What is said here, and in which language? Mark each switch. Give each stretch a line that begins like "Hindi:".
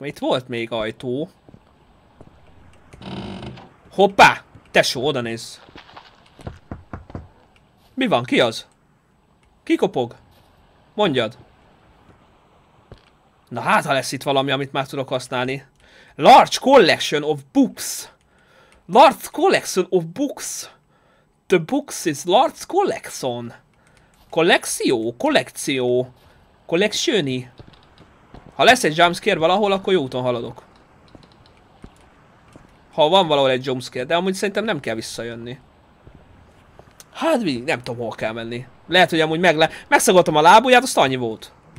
Hungarian: Mert itt volt még ajtó. Hoppá! Tesó, oda néz. Mi van, ki az? Ki kopog? Mondjad. Na hát, ha lesz itt valami, amit már tudok használni.
English: Large collection of books. Large collection of books. The books is large collection.
Hungarian: Kollekció? Kollekció. Collectioni. Ha lesz egy jumpscare valahol, akkor jó úton haladok. Ha van valahol egy jumpscare, de amúgy szerintem nem kell visszajönni. Hát mi? Nem tudom, hol kell menni. Lehet, hogy amúgy megszagoltam a lábujját, azt annyi volt.